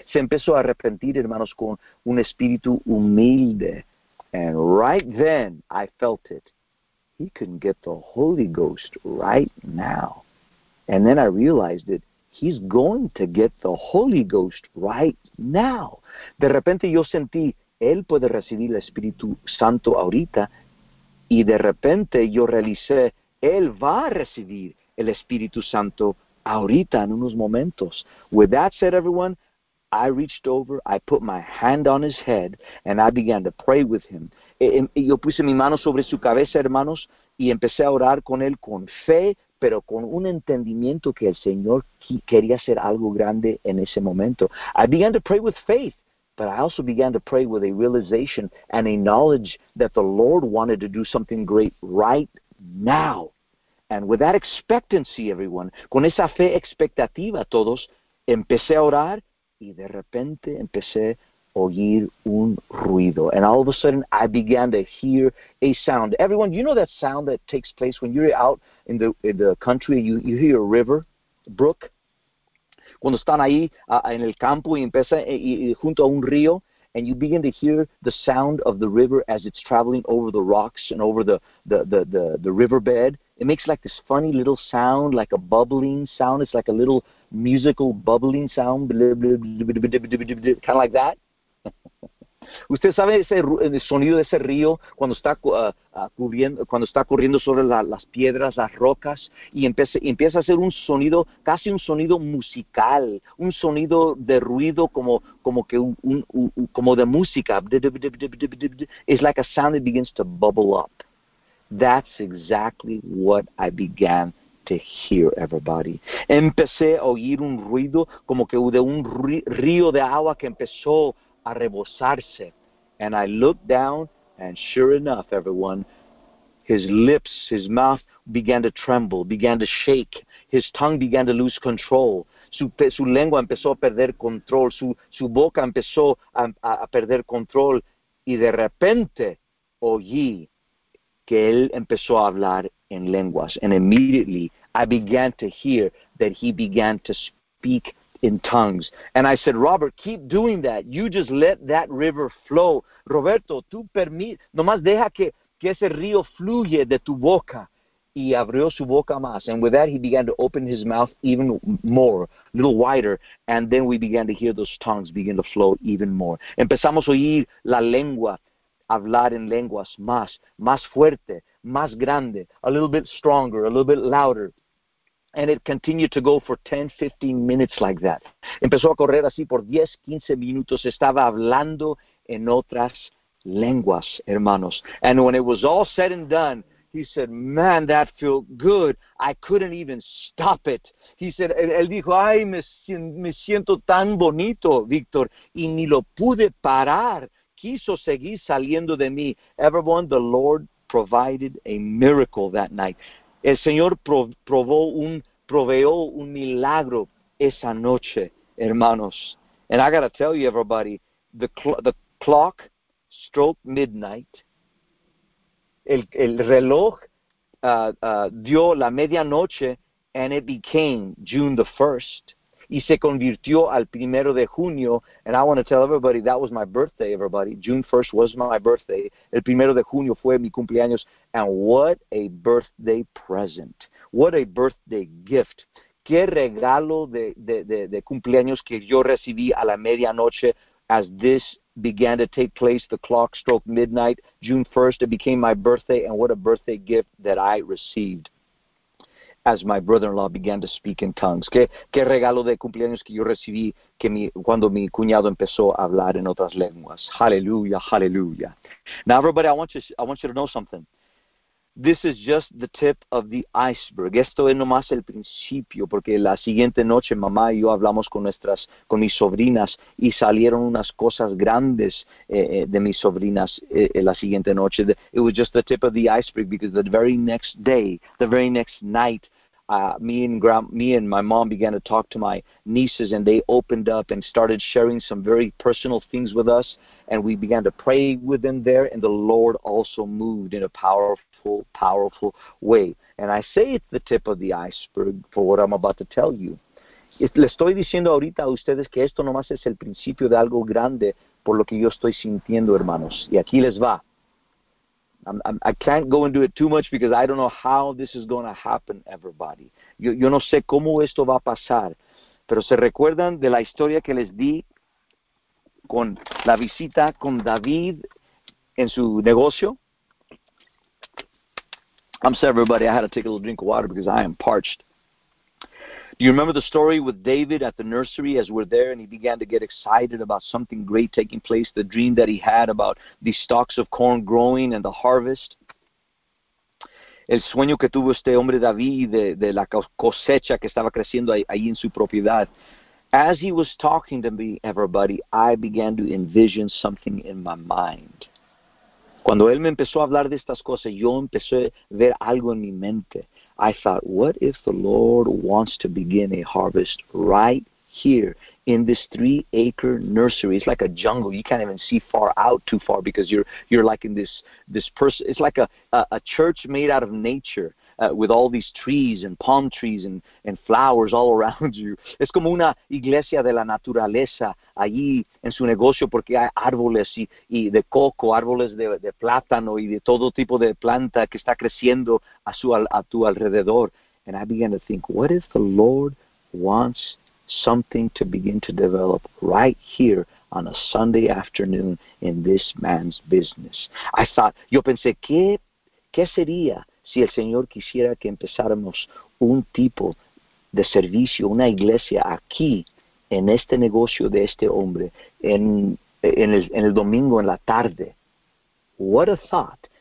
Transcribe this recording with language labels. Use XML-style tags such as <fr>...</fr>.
<es>Se empezó a arrepentir, hermanos, con un espíritu humilde.</es> <en>And right then I felt it. He can get the Holy Ghost right now. And then I realized that he's going to get the Holy Ghost right now.</en> <es>De repente yo sentí, él puede recibir el Espíritu Santo ahorita. Y de repente yo realicé, él va a recibir el Espíritu Santo ahorita en unos momentos.</es> <en>With that said, everyone, I reached over, I put my hand on his head, and I began to pray with him.</en> <es>Yo puse mi mano sobre su cabeza, hermanos, y empecé a orar con él con fe, pero con un entendimiento que el Señor quería hacer algo grande en ese momento.</es> <en>I began to pray with faith, but I also began to pray with a realization and a knowledge that the Lord wanted to do something great right now. And with that expectancy, everyone,</en> <es>con esa fe expectativa, todos, empecé a orar y de repente empecé a oír un ruido.</es> <en>And all of a sudden, I began to hear a sound. Everyone, you know that sound that takes place when you're out in the country and you hear a river, brook?</en> <es>Cuando están ahí en el campo y empieza junto a un río,</es> <en>and you begin to hear the sound of the river as it's traveling over the rocks and over the riverbed. It makes like this funny little sound, like a bubbling sound. It's like a little musical bubbling sound, kind of like that.</en> <es>¿Usted sabe ese el sonido de ese río cuando está corriendo sobre las piedras, las rocas, y empieza a hacer un sonido, casi un sonido musical, un sonido de ruido como de música?</es> <en>It's like a sound that begins to bubble up. That's exactly what I began to hear, everybody.</en> <es>Empecé a oír un ruido como que de un río de agua que empezó a rebosarse.</es> <en>And I looked down, and sure enough, everyone, his lips, his mouth began to tremble, began to shake. His tongue began to lose control.</en> <es>Su lengua empezó a perder control. Su boca empezó a perder control. Y de repente, oí que él empezó a hablar en lenguas.</es> <en>And immediately, I began to hear that he began to speak in tongues. And I said, Robert, keep doing that. You just let that river flow.</en> <es>Roberto, tú permite, nomás deja que ese río fluya de tu boca. Y abrió su boca más.</es> <en>And with that, he began to open his mouth even more, a little wider. And then we began to hear those tongues begin to flow even more.</en> <es>Empezamos a oír la lengua, hablar en lenguas más, más fuerte, más grande,</es> <en>a little bit stronger, a little bit louder. And it continued to go for 10, 15 minutes like that.</en> <es>Empezó a correr así por 10, 15 minutos. Estaba hablando en otras lenguas, hermanos.</es> <en>And when it was all said and done, he said, man, that felt good. I couldn't even stop it. He said,</en> <es>él dijo, ay, me siento tan bonito, Víctor. Y ni lo pude parar. Quiso seguir saliendo de mí.</es> <en>Everyone, the Lord provided a miracle that night.</en> <es>El Señor proveó un milagro esa noche, hermanos.</es> <en>And I got to tell you, everybody, the clock struck midnight.</en> <es>El reloj dio la medianoche,</es> <en>and it became June the 1st.</en> <es>Y se convirtió al primero de junio.</es> <en>And I want to tell everybody, that was my birthday, everybody. June 1st was my birthday.</en> <es>El primero de junio fue mi cumpleaños.</es> <en>And what a birthday present. What a birthday gift.</en> <es>Qué regalo de cumpleaños que yo recibí a la medianoche.</es> <en>As this began to take place, the clock struck midnight. June 1st, it became my birthday. And what a birthday gift that I received. As my brother-in-law began to speak in tongues.</en> <es>¿Qué regalo de cumpleaños que yo recibí cuando mi cuñado empezó a hablar en otras lenguas?</es> <en>Hallelujah, hallelujah. Now, everybody, I want you to know something. This is just the tip of the iceberg.</en> <es>Esto es nomás el principio, porque la siguiente noche mamá y yo hablamos con mis sobrinas y salieron unas cosas grandes de mis sobrinas la siguiente noche.</es> <en>It was just the tip of the iceberg because the very next day, the very next night, me and my mom began to talk to my nieces, and they opened up and started sharing some very personal things with us, and we began to pray with them there, and the Lord also moved in a powerful, powerful way. And I say it's the tip of the iceberg for what I'm about to tell you.</en> <es>Le estoy diciendo ahorita a ustedes que esto nomás es el principio de algo grande por lo que yo estoy sintiendo, hermanos. Y aquí les va.</es> <en>I can't go into it too much because I don't know how this is going to happen, everybody.</en> <es>Yo no sé cómo esto va a pasar. Pero se recuerdan de la historia que les di con la visita con David en su negocio?</es> <en>I'm sorry, everybody. I had to take a little drink of water because I am parched. Do you remember the story with David at the nursery as we're there and he began to get excited about something great taking place, the dream that he had about the stalks of corn growing and the harvest?</en> <es>el sueño que tuvo este hombre David de la cosecha que estaba creciendo ahí en su propiedad.</es> <en>As he was talking to me, everybody, I began to envision something in my mind.</en> <es>Cuando él me empezó a hablar de estas cosas, yo empecé a ver algo en mi mente.</es> <en>I thought, what if the Lord wants to begin a harvest right here in this 3-acre nursery? It's like a jungle. You can't even see far out too far because you're like in this person. It's like a church made out of nature, with all these trees and palm trees and flowers all around you.</en> <es>Es como una iglesia de la naturaleza allí en su negocio porque hay árboles y de coco, árboles de plátano y de todo tipo de planta que está creciendo a tu alrededor.</es> <en>And I began to think, what if the Lord wants something to begin to develop right here on a Sunday afternoon in this man's business? I thought,</en> <es>yo pensé, ¿qué sería si el Señor quisiera que empezáramos un tipo de servicio, una iglesia aquí, en este negocio de este hombre, en el domingo, en la tarde?</es> <en>What a thought.</en>